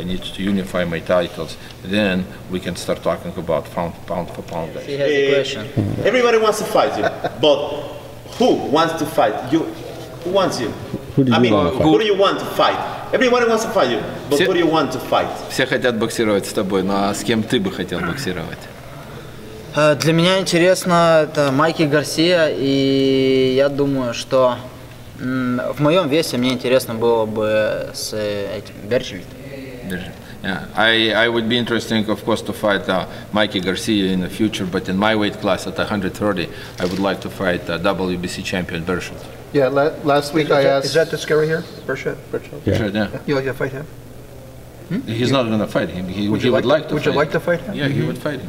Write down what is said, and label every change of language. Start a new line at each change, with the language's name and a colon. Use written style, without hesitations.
English: I need to unify my titles. Then we can start talking about pound for pound. He has a question. Everybody wants to fight you, but who wants to fight you? Who wants you? Who do you want to fight? Everybody wants to fight you, but who do you want to fight?
Russian: Все хотят боксировать с тобой, но с кем ты бы хотел боксировать? Для меня интересно это Майки Гарсия, и я думаю, что в моем весе мне интересно было бы с этим Берчельтом.
English: I would be interesting, of course, to fight Mikey Garcia in the future, but in my weight class at 130, I would like to fight WBC champion Berchelt. Yeah, last week is I asked... Is that the scary here? Berchelt? Yeah. You'll fight him? Hmm? He's not going to fight him. Would you like to fight him? Yeah, mm-hmm. He would fight him.